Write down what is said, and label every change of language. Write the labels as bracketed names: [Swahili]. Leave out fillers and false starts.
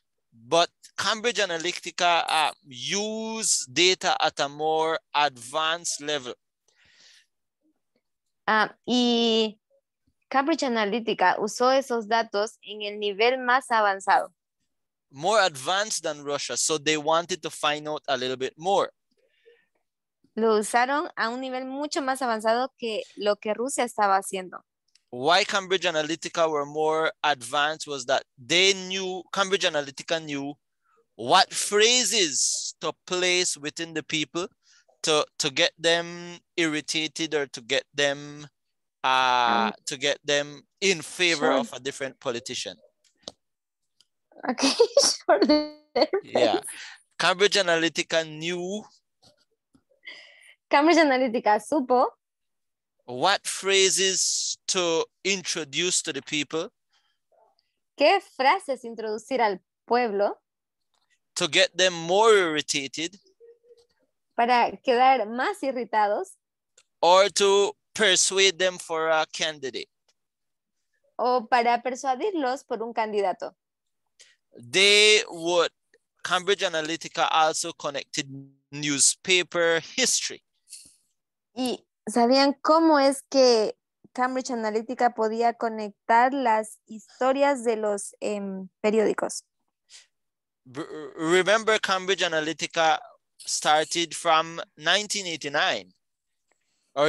[English] But Cambridge Analytica used data at a more advanced level. [Spanish] Y Cambridge Analytica usó esos datos en el nivel más avanzado. [English] More advanced than Russia, so they wanted to find out a little bit more. [Spanish] Lo usaron a un nivel mucho más avanzado que lo que Rusia estaba haciendo. [English] Why Cambridge Analytica were more advanced was that they knew, Cambridge Analytica knew what phrases to place within the people to get them irritated or to get them in favor of a different politician. Okay, sure. Yeah, Cambridge Analytica knew. [Spanish] Cambridge Analytica supo. [English] What phrases to introduce to the people? [Spanish] ¿Qué frases introducir al pueblo? [English] To get them more irritated. [Spanish] Para quedar más irritados. [English] Or to persuade them for a candidate. [Spanish] O para persuadirlos por un candidato. [English] They would, Cambridge Analytica also connected newspaper history. [Spanish] Y ¿sabían cómo es que Cambridge Analytica podía conectar las historias de los periódicos? [English] Remember, Cambridge Analytica started from 1989 or